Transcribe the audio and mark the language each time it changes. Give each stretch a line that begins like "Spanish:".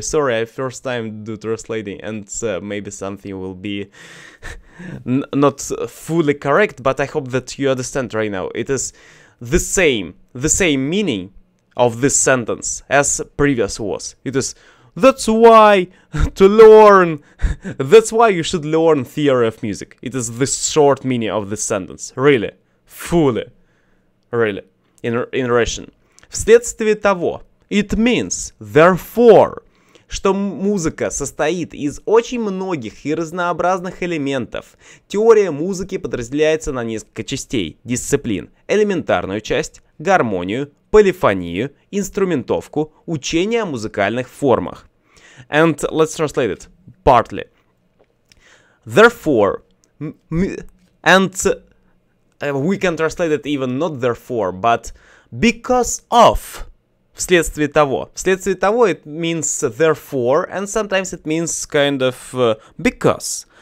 English: Sorry, I first time do translating, and maybe something will be not fully correct, but I hope that you understand right now. It is the same meaning, of this sentence as previous was. It is, that's why to learn, that's why you should learn theory of music. It is the short meaning of this sentence. Really. Fully. Really. In Russian.
Russian: Вследствие того,
English: it means, therefore,
Russian: что музыка состоит из очень многих и разнообразных элементов. Теория музыки подразделяется на несколько частей, дисциплин, элементарную часть, гармонию, полифонию, инструментовку, учение о музыкальных формах.
English: And let's translate it partly. Therefore, we can translate it even not therefore, but because of.
Russian: Вследствие того. Вследствие того,
English: it means therefore, and sometimes it means kind of because.